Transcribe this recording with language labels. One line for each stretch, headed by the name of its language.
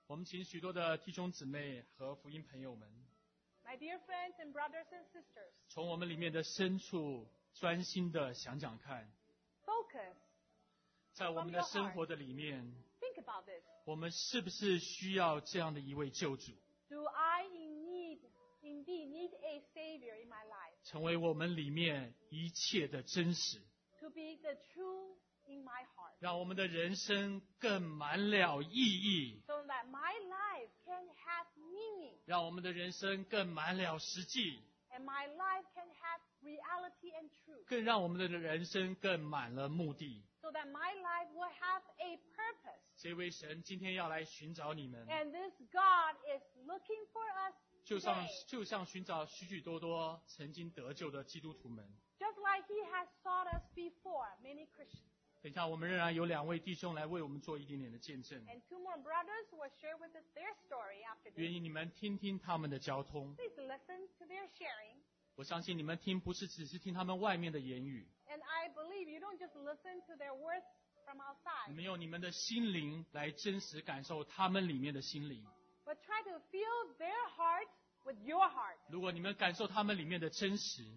Chinese: 我们请许多的弟兄姊妹和福音朋友们。
English: My dear friends and brothers and sisters.
Chinese: 从我们里面的深处。专心的想想看
English: Focus,
Chinese: 在我们的生活的里面
English: Think about this.
Chinese: 我们是不是需要这样的一位救主
English: Do I indeed need a savior in my life?
Chinese: 成为我们里面一切的真实
English: To be the true in my heart.
Chinese: 让我们的人生更满了意义
English: So that my life can
Chinese: 让我们的人生更满了实际。
English: And my life can have reality and truth.
Chinese: 更让我们的人生更满了目的。
English: So that my life will have a purpose.
Chinese: 这位神今天要来寻找你们。
English: And this God is looking for us.
Chinese: 就像寻找许许多多曾经得救的基督徒们。
English: Just like He has sought us before, many Christians.
Chinese: 等一下，我们仍然有两位弟兄来为我们做一点点的见证。
English: And two more brothers will share with us their story after this.
Chinese: 愿意你们听听他们的交通。
English: Please listen to their sharing.
Chinese: 我相信你们听不是只是听他们外面的言语。
English: And I believe you don't just listen to their words from outside.
Chinese: 你们用你们的心灵来真实感受他们里面的心灵。
English: But try to feel their heart with your heart.
Chinese: 如果你们感受他们里面的真实。